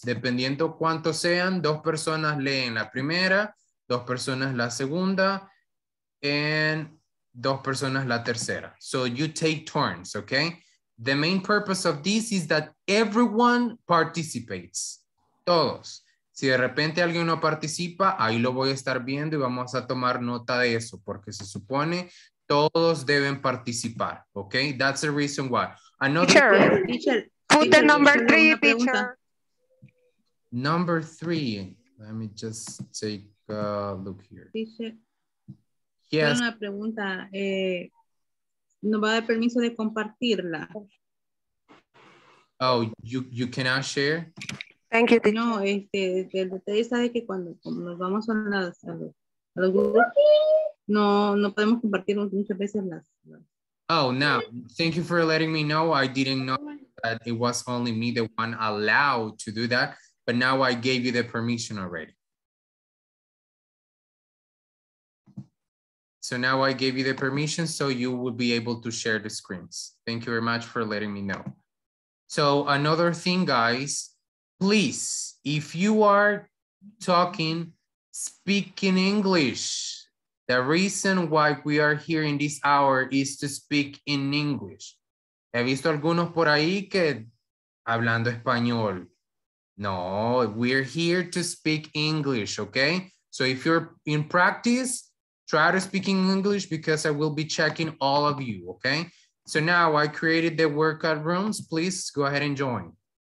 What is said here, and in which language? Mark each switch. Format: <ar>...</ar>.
<es>Dependiendo cuántos sean, dos personas leen la primera, dos personas la segunda, and dos personas la tercera.</es> <en>So you take turns, okay? The main purpose of this is that everyone participates. Todos.</en> <es>Si de repente alguien no participa, ahí lo voy a estar viendo y vamos a tomar nota de eso, porque se supone todos deben participar, ¿ok?</es> <en>That's the reason why. Another teacher, put the number three, teacher. Number three. Let me just take a look here. Teacher, yes.</en> <es>Una pregunta. ¿No va a dar permiso de compartirla?</es> <en>Oh, you cannot share? Thank you, teacher.</en> <es>No, el detalle está de que cuando nos vamos a los grupos, no podemos compartir muchas veces las.</es> <en>Oh, no. Thank you for letting me know. I didn't know that it was only me the one allowed to do that, but now I gave you the permission already. So now I gave you the permission so you would be able to share the screens. Thank you very much for letting me know. So another thing, guys. Please, if you are talking, speak in English. The reason why we are here in this hour is to speak in English.</en> <es>He visto algunos por ahí que hablando español.</es> <en>No, we're here to speak English, okay? So if you're in practice, try to speak in English because I will be checking all of you, okay? So now I created the workout rooms. Please go ahead and join.</en>